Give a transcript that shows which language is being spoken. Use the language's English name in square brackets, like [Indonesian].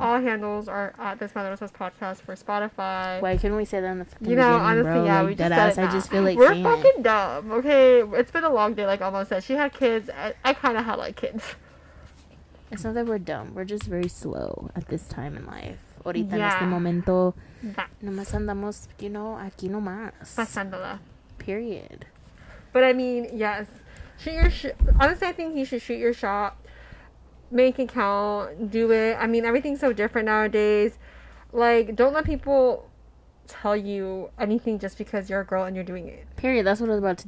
[English] All handles are at Desmadrosas Podcast for Spotify. Why couldn't we say that in the fucking beginning, bro? You know, honestly, bro? Yeah, like, we just said ass, that. I just feel like we're fucking dumb, okay? It's been a long day, like almost said. She had kids. I kind of had, like, kids. It's not that we're dumb. We're just very slow at this time in life. [Spanish] Ahorita, [English] yeah. [Spanish] En este momento, nomás andamos, [English] you know, [Spanish] aquí nomás. Pasándola. [English] Period. But I mean, yes. Shoot your honestly, I think you should shoot your shot. Make it count. Do it. I mean, everything's so different nowadays. Like, don't let people tell you anything just because you're a girl and you're doing it. Period. That's what I was about to